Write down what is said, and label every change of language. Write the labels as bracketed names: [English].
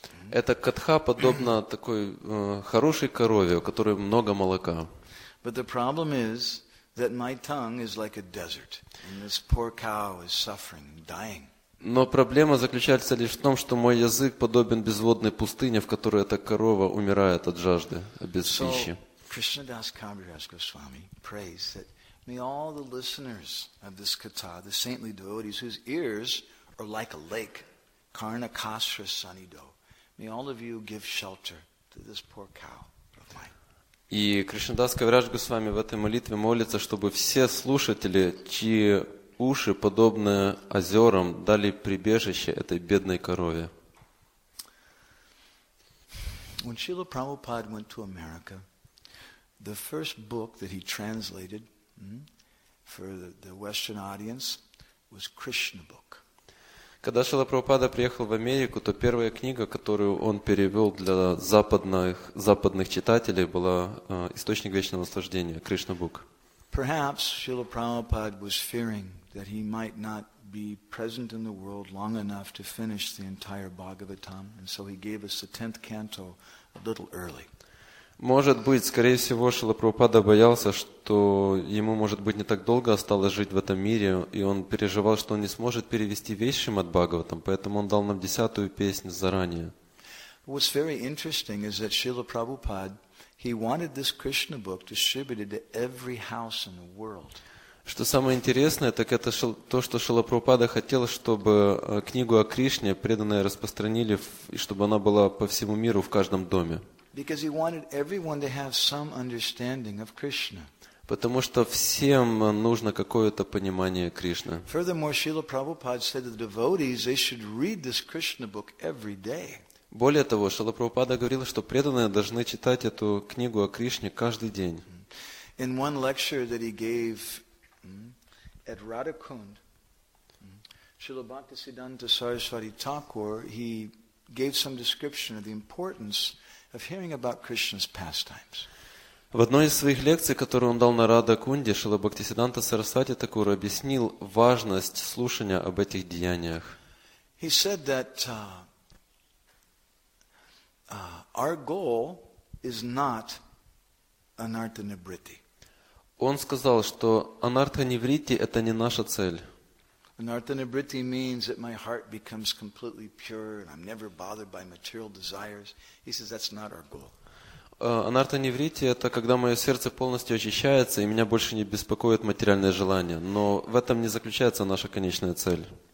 [Russian] Эта катха подобна такой хорошей корове, у которой много молока. Но проблема заключается лишь в том, что мой язык подобен безводной пустыне, в которой эта корова умирает от жажды, без пищи. [English] Krishna Das Kaviraj Goswami prays that may all the listeners of this katha, the saintly devotees whose ears are like a lake, [Sanskrit] karna kasra sanido, [English] may all of you give shelter to this poor cow of mine. [Russian] И Кришна Дас Кавираж Госвами в этой молитве молится, чтобы все слушатели, чьи уши подобны озерам, дали прибежище этой бедной корове. [English] When Srila Prabhupada went to America, The first book that he translated for the Western audience was Krishna book. [Russian] Когда Шрила Прабхупада приехал в Америку, то первая книга, которую он перевел для западных читателей, была источник вечного наслаждения, Krishna book. [English] Perhaps Srila Prabhupada was fearing that he might not be present in the world long enough to finish the entire Bhagavatam, and so he gave us the 10th canto a little early. [Russian] Может быть, скорее всего, Шрила Прабхупада боялся, что ему, может быть, не так долго осталось жить в этом мире, и он переживал, что он не сможет перевести весь Шримад Бхагаватам, поэтому он дал нам 10-ю песню заранее. [English] What's very interesting is that Srila Prabhupada He wanted this Krishna book distributed to every house in the world. [Russian] Что самое интересное, так это то, что Шрила Прабхупада хотел, чтобы книгу о Кришне преданные распространили, и чтобы она была по всему миру в каждом доме. [English] Because he wanted everyone to have some understanding of Krishna. [Russian] Потому что всем нужно какое-то понимание Кришны. [English] Furthermore, Srila Prabhupada said that the devotees they should read this Krishna book every day. [Russian] Более того, Шрила Прабхупада говорил, что преданные должны читать эту книгу о Кришне каждый день. [English] In one lecture that he gave at Radhakund, Srila Bhaktisiddhanta Saraswati Thakur, he gave some description of the importance of hearing about Krishna's pastimes. [Russian] В одной из своих лекций, которую он дал на Радхакунде, Шрила Бхактисиддханта Сарасвати Такура объяснил важность слушания об этих деяниях. [English] He said that our goal is not anartha nivritti. [Russian] Он сказал, что анартха нивритти это не наша цель. [English] Anartha nivritti means that my heart becomes completely pure and I'm never bothered by material desires. He says that's not our goal. [Russian] Анартха нивритти – это когда мое сердце полностью очищается, и меня больше не беспокоят материальные желания. Но в этом не заключается наша конечная цель.